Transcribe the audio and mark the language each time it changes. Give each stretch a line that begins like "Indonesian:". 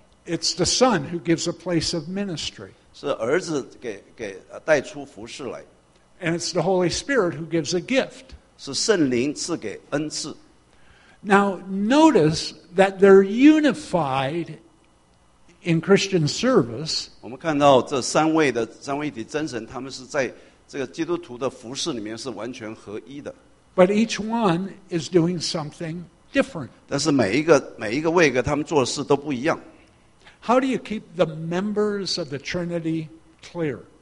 English: It's the Son who gives a place of ministry.
Chinese: 是儿子给带出服事来。
English: And it's the Holy Spirit who gives a gift.
Chinese: 是圣灵赐给恩赐。
English: Now notice that they're unified in Christian service.
Chinese: 我们看到这三位的三位一体真神，他们是在这个基督徒的服事里面是完全合一的。
English: But each one is doing something different.
Chinese: 但是每一个位一个他们做的事都不一样。
English: How do you keep the members of the Trinity clear?